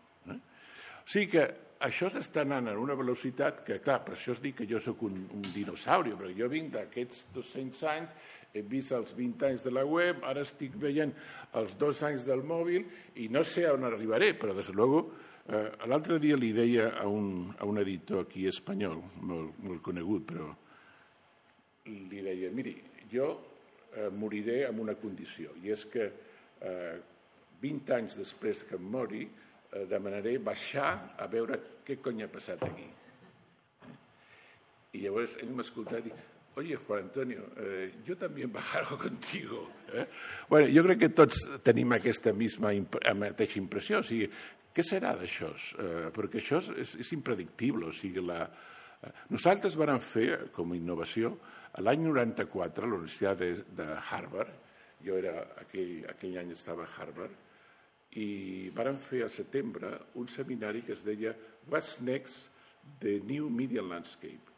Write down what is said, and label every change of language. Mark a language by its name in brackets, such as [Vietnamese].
[Catalan] O sigui que això s'està anant a una velocitat que, clar, per això es diu que jo sóc un dinosaurio, però jo vinc d'aquests 200 anys, he vist els 20 anys de la web, ara estic veient els 2 anys del mòbil i no sé on arribaré, però, des de luego, l'altre dia li deia a un editor aquí espanyol, molt, molt conegut, però li deia, miri, jo moriré amb una condició, i és que 20 anys després que em mori demanaré baixar a veure què cony ha passat aquí. I llavors ell m'ha escoltat i dic, [Spanish] oye, Juan Antonio, yo también bajaré contigo. [Catalan] Bueno, jo crec que tots tenim aquesta mateixa impressió. O sigui, què serà d'això? Perquè això és impredictible. O sigui, nosaltres vàrem fer, com a innovació, l'any 94, a la Universitat de Harvard, jo era aquell any estava a Harvard, i vàrem fer a setembre un seminari que es deia What's Next, the New Media Landscape.